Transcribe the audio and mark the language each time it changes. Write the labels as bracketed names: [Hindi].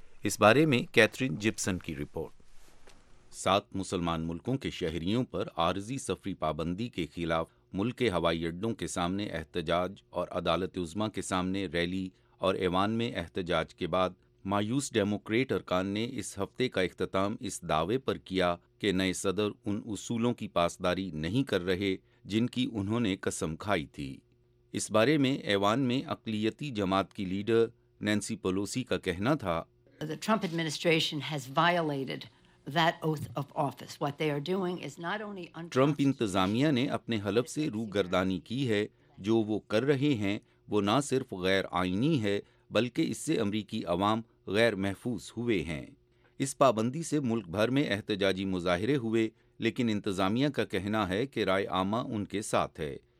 [Urdu] اس بارے میں کیتھرین جپسن کی رپورٹ. 7 مسلمان ملکوں کے شہریوں پر عارضی سفری پابندی کے خلاف ملک کے ہوائی اڈوں کے سامنے احتجاج اور عدالت عظمیٰ کے سامنے ریلی اور ایوان میں احتجاج کے بعد مایوس ڈیموکریٹ ارکان نے اس ہفتے کا اختتام اس دعوے پر کیا کہ نئے صدر ان اصولوں کی پاسداری نہیں کر رہے جن کی انہوں نے قسم کھائی تھی. اس بارے میں ایوان میں اقلیتی جماعت کی لیڈر نینسی پلوسی کا کہنا تھا: [English] The Trump administration has violated that oath of office. What they are doing is not only [Urdu] Trump انتظامیہ نے اپنے حلف سے روگردانی کی ہے. جو وہ کر رہے ہیں وہ نہ صرف غیر آئینی ہے بلکہ اس سے امریکی عوام غیر محفوظ ہوئے ہیں. اس پابندی سے ملک بھر میں احتجاجی مظاہرے ہوئے، لیکن انتظامیہ کا کہنا ہے کہ رائے عامہ ان کے ساتھ ہے.